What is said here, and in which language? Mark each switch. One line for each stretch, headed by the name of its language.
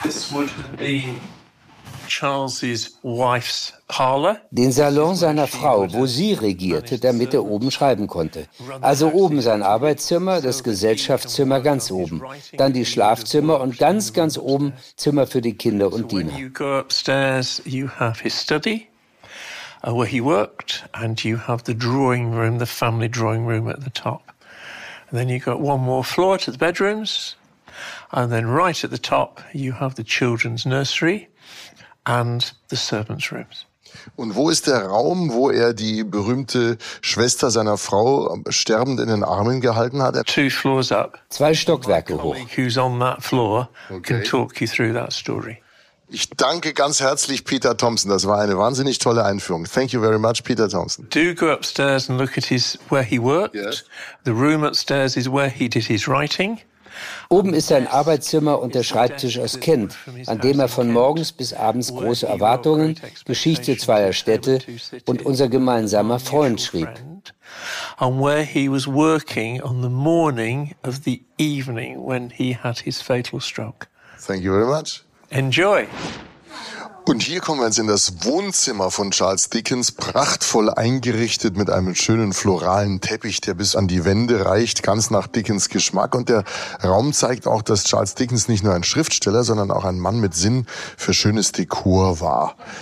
English: This would be Charles's wife's parlor.
German: Den Salon seiner Frau, wo sie regierte, damit er oben schreiben konnte. Also oben sein Arbeitszimmer, das Gesellschaftszimmer ganz oben. Dann die Schlafzimmer und ganz, ganz oben Zimmer für die Kinder und Diener.
English: When you go upstairs, you have his study, where he worked, and you have the drawing room, the family drawing room at the top. And then you got one more floor to the bedrooms, and then right at the top you have the children's nursery and the servants' rooms.
German: Und wo ist der Raum, wo er die berühmte Schwester seiner Frau sterbend in den Armen gehalten hat?
English: Two floors up.
German: Zwei Stockwerke hoch.
English: Who's on that floor can talk you through that story.
German: Ich danke ganz herzlich Peter Thompson. Das war eine wahnsinnig tolle Einführung.
English: Thank you very much, Peter Thompson. Do go upstairs and look at his where he worked. Yes. The room upstairs is where he did his writing.
German: Oben ist sein Arbeitszimmer und der Schreibtisch aus Kent, an dem er von morgens bis abends Große Erwartungen, Geschichte zweier Städte und unser gemeinsamer Freund schrieb.
English: And where he was working on the morning of the evening when he had his fatal stroke. Thank you very much. Enjoy.
German: Und hier kommen wir jetzt in das Wohnzimmer von Charles Dickens, prachtvoll eingerichtet mit einem schönen floralen Teppich, der bis an die Wände reicht, ganz nach Dickens Geschmack. Und der Raum zeigt auch, dass Charles Dickens nicht nur ein Schriftsteller, sondern auch ein Mann mit Sinn für schönes Dekor war.